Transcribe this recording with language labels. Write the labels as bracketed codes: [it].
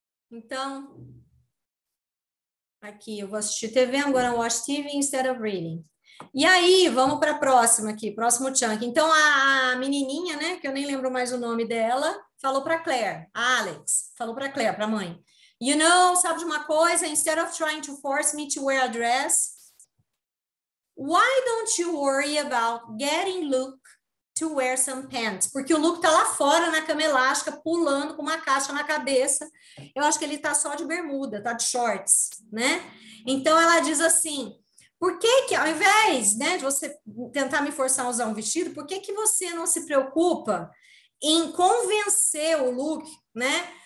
[pt] Então, aqui, eu vou assistir TV, [en] I'm gonna watch TV instead of reading. [pt] E aí, vamos para a próxima aqui, próximo chunk. Então, a menininha, né, que eu nem lembro mais o nome dela, falou para Claire, Alex, falou para Claire, para a mãe. You know, sabe de uma coisa? [en] Instead of trying to force me to wear a dress, why don't you worry about getting Luke to wear some pants? [pt] Porque o Luke tá lá fora na cama elástica, pulando com uma caixa na cabeça. Eu acho que ele tá só de bermuda, tá de shorts, né? Então ela diz assim: por que que, ao invés, né, de você tentar me forçar a usar um vestido, por que que você não se preocupa em convencer o Luke, né?